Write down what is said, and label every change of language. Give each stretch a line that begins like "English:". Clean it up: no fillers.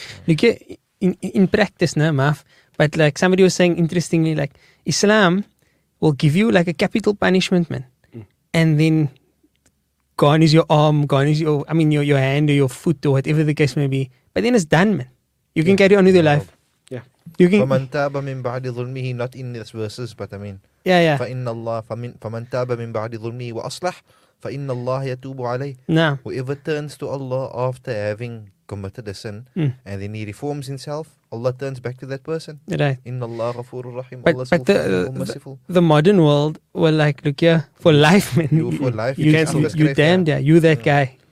English: Look, in practice, no, Maf, but like somebody was saying interestingly, like Islam will give you like a capital punishment, man. Mm. And then gone is your arm, gone is your hand or your foot or whatever the case may be. But then it's done, man. You can carry on with your life.
Arabic: فَمَنْ تَابَ مِنْ بَعْدِ ظُلْمِهِ
English: not in these verses, but I mean
Arabic: فَإِنَّ اللَّهَ فَمَنْ تَابَ مِنْ بَعْدِ ظُلْمِهِ وَأَصْلَحْ فَإِنَّ اللَّهَ يَتُوبُ عَلَيْهِ.
English: Nah. Whoever turns to Allah after having committed a sin and then he reforms himself, Allah turns back to that person. Right.
Arabic: إِنَّ اللَّهَ غَفُورُ الرَّحِيمُ.
English: Allah is merciful. The modern world were like, look here, for life, man. You're damned, you're that guy.